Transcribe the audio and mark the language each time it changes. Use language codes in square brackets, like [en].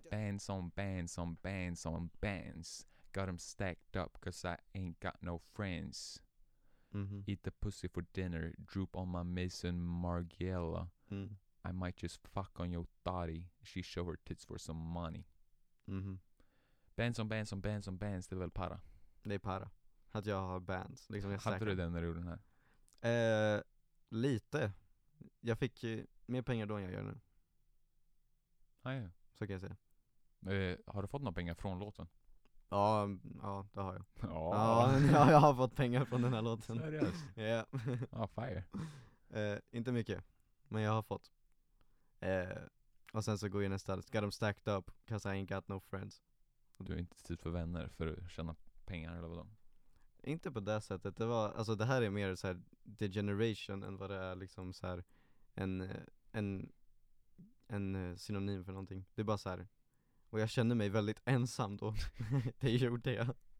[en] Bands on bands on bands on bands. Got them stacked up cause I ain't got no friends. Mm-hmm. Eat the pussy for dinner, droop on my Mason Margiela. Mm. I might just fuck on your thotty, she show her tits for some money. Mm-hmm. Bands on bands on bands on bands, [sv] det är väl para? Det är para. Att jag har bands. Liksom, jag hade säkert. Du den när du gjorde den här? Lite. Jag fick mer pengar då än jag gör nu. Nej. Så kan jag säga. Har du fått några pengar från låten? Ja, ja, det har jag. Ja. Ja, jag har fått pengar från den här låten. Seriöst? Ja. Yeah. Ah, fire. Inte mycket, men jag har fått. Och sen så går jag nästa. [en] Got them stacked up, cause I ain't got no friends. [sv] Du är inte typ för vänner för att tjäna pengar eller vad då? Inte på det sättet. Det var, alltså det här är mer så här degeneration än vad det är liksom så här en synonym för någonting. Det är bara så här. Och jag kände mig väldigt ensam då. Det gjorde jag.